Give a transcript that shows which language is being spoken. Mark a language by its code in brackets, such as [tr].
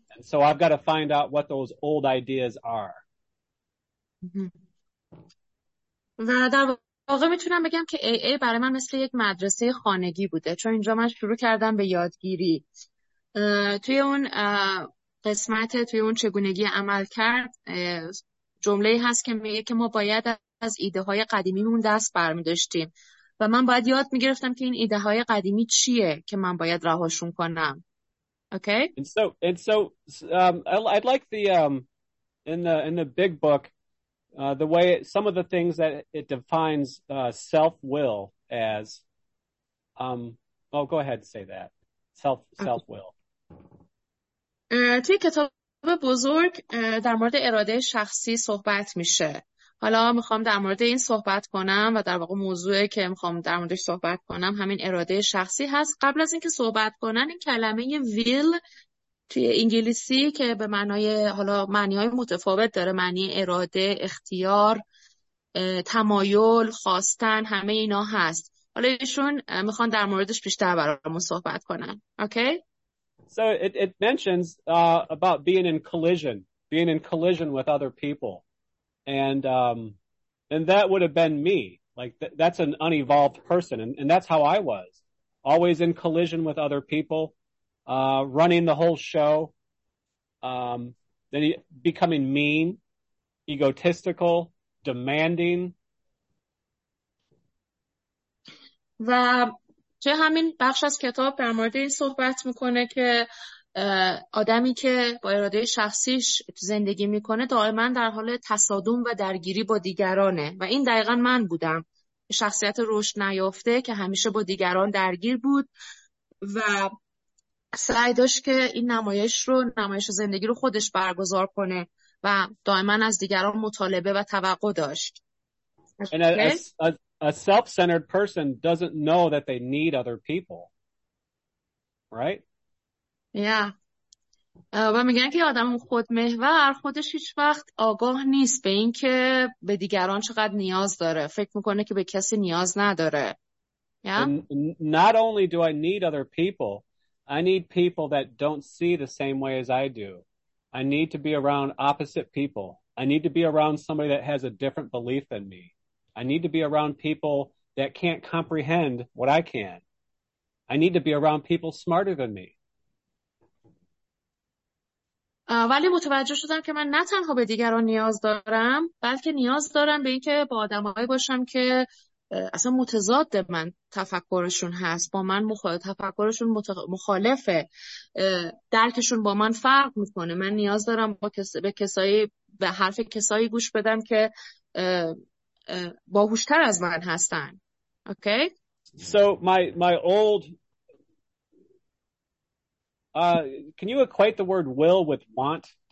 [en] So I've got to find out what those old ideas are. [fa] و در واقع میتونم بگم که AA برای من مثل یک مدرسه خانگی بوده، چون اینجا من شروع کردم به یادگیری. توی اون قسمت، توی اون چگونگی عمل کرد، جمله هست که میگه که ما باید از ایده های قدیمیمون دست برمی‌داشتیم و من باید یاد می‌گرفتم که این ایده های قدیمی چیه که من باید رهاشون کنم. [en] Okay. And so I'd like in the big book, the way it, some of the things that it defines self-will as. Go ahead and say that. Self-will. [fa] توی کتاب بزرگ در مورد اراده شخصی صحبت میشه. حالا میخوام در مورد این صحبت کنم و در واقع موضوعی که میخوام در موردش صحبت کنم همین اراده شخصی هست. قبل از اینکه صحبت کنن، این کلمه ویل توی انگلیسی که به معنای، حالا معنی های متفاوت داره، معنی اراده، اختیار، تمایل، خواستن، همه اینا هست. حالا ایشون میخوان در موردش بیشتر برامون صحبت کنن. [en] Okay? So it mentions about being in collision with other people. And that would have been me. Like that's an unevolved person, and that's how I was, always in collision with other people, running the whole show, then becoming mean, egotistical, demanding. [fa] و چه همین بخش از کتاب در مورد این صحبت میکنه که آدمی که با اراده شخصیش تو زندگی میکنه دائما در حال تصادم و درگیری با دیگرانه، و این دقیقا من بودم، شخصیت رشد نیافته که همیشه با دیگران درگیر بود و سعی داشت که این نمایش زندگی رو خودش برگزار کنه و دائما از دیگران مطالبه و توقع داشت. [en] A self-centered person doesn't know that they need other people, right? Yeah. [fa] و میگن که آدم خودمحور خودش هیچ وقت آگاه نیست به این که به دیگران چقدر نیاز داره. فکر میکنه که به کسی نیاز نداره. [en] Yeah? Not only do I need other people, I need people that don't see the same way as I do. I need to be around opposite people. I need to be around somebody that has a different belief than me. I need to be around people that can't comprehend what I can. I need to be around people smarter than me. [fa] ولی متوجه شدم که من نه تنها به دیگران نیاز دارم، بلکه نیاز دارم به اینکه با آدمایی باشم که اصلا متضاد من تفکرشون هست، با من تفکرشون مخالفه، درکشون با من فرق میکنه. من نیاز دارم به حرف کسایی گوش بدم که باهوشتر از من هستن. [en] Okay. So my old, can you equate the word will with want?